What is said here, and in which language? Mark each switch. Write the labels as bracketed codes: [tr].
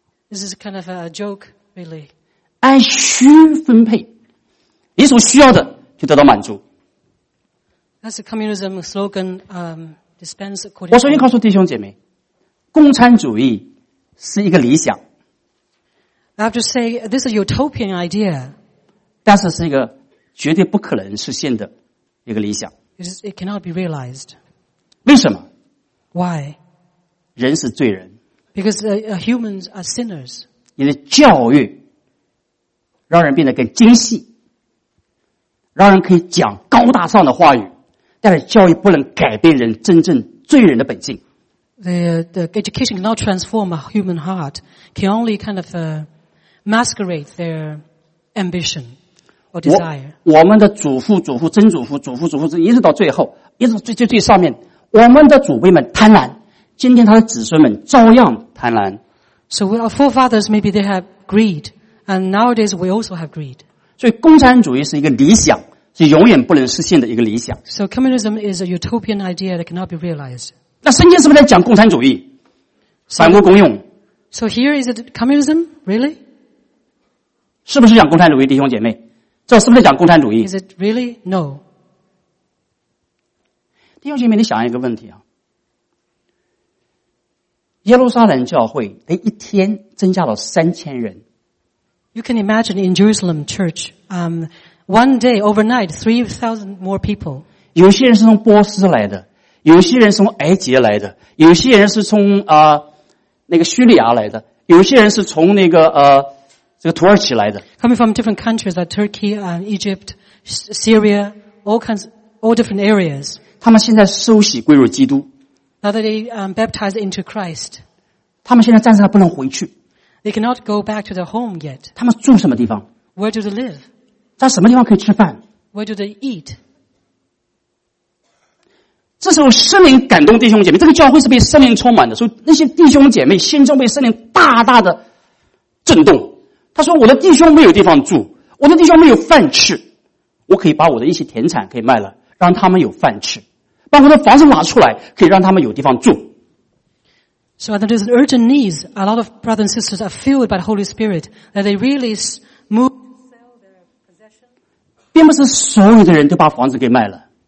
[en] This is kind of a joke, really. [zh] 按需分配，你所需要的就得到满足。 [en] That's a communism slogan. Dispense according. [zh] 我首先告诉弟兄姐妹，共产主义是一个理想。 [en] I have to say this is a utopian idea. [zh] 但是是一个绝对不可能实现的一个理想。 [en] It cannot be realized. [zh] 为什么 [en] ？Why？ [zh] 人是罪人。 [en] Because humans are sinners. [zh] 你的教育让人变得更精细，让人可以讲高大上的话语，但是教育不能改变人真正罪人的本性。 [en] The education cannot transform a human heart. Can only kind of masquerade their ambition or desire. [zh] 我们的祖父、祖父、曾祖父、祖父、祖父，一直到最后，一直到最最最上面。我们的祖辈们贪婪，今天他的子孙们照样贪婪。 [en] So our forefathers maybe they have greed, and nowadays we also have greed. [zh] 所以共产主义是一个理想，是永远不能实现的一个理想。 [en] So communism is a utopian idea that cannot be realized. [zh] 那圣经是不是在讲共产主义？反目公用。 [en] So here is it communism really? [zh] 是不是讲共产主义，弟兄姐妹？这是不是讲共产主义 [en] ？Is it really? No. [zh] 弟兄姐妹，你想一个问题啊，耶路撒冷教会的一天增加了3000人。 [en] You can imagine in Jerusalem church, one day, overnight, 3,000 more people. [zh] 有些人是从波斯来的，有些人从埃及来的，有些人是从那个叙利亚来的，有些人是从那个这个土耳其来的。 [en] Coming from different countries like Turkey, Egypt, Syria, all different areas. [zh] 他们现在受洗归入基督。 [en] Now that they baptized into Christ. [zh] 他们现在暂时还不能回去。 [en] They cannot go back to their home yet. [zh] 他们住什么地方？ [en] Where do they live? [zh] 在什么地方可以吃饭？ [en] Where do they eat? [zh] 这时候圣灵感动弟兄姐妹，这个教会是被圣灵充满的，所以那些弟兄姐妹心中被圣灵大大的震动。他说我的弟兄没有地方住，我的弟兄没有饭吃，我可以把我的一些田产可以卖了，让他们有饭吃，把我的房子拿出来，可以让他们有地方住。 [en] So there is an urgent need. A lot of brothers and sisters are filled by the Holy Spirit that they really move to sell their possession. [zh] 并不是所有的人都把房子给卖了。